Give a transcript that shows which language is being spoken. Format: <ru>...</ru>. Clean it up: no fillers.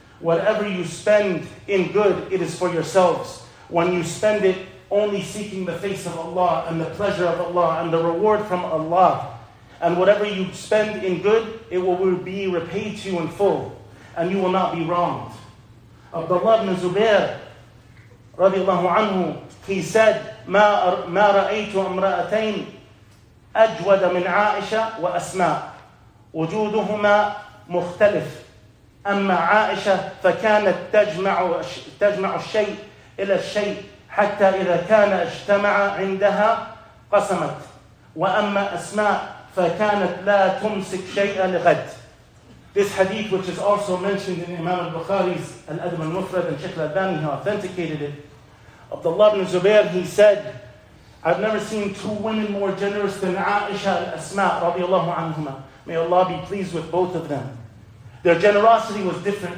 <en>Whatever you spend in good, it is for yourselves. When you spend it only seeking the face of Allah and the pleasure of Allah and the reward from Allah, and whatever you spend in good, it will be repaid to you in full, and you will not be wronged.</en> <ar>Abdullah ibn Zubair, radiallahu anhu,</ar> <en>he said,</en> <ar>مَا رَأَيْتُ أَمْرَأَتَيْنِ أجود من عائشة وأسماء وجودهما مختلف أما عائشة فكانت تجمع الشيء إلى الشيء حتى إذا كان اجتمع عندها قسمت وأما أسماء فكانت لا تمسك شيئا لغد.</ar> <en>This hadith, which is also mentioned in Imam al-Bukhari's Al-Adab al-Mufrad and Sheikh al-Albani, he authenticated it. Abdullah ibn Zubair, he said, I've never seen two women more generous than Aisha and Asma, radiallahu anhuma. May Allah be pleased with both of them. Their generosity was different.</en>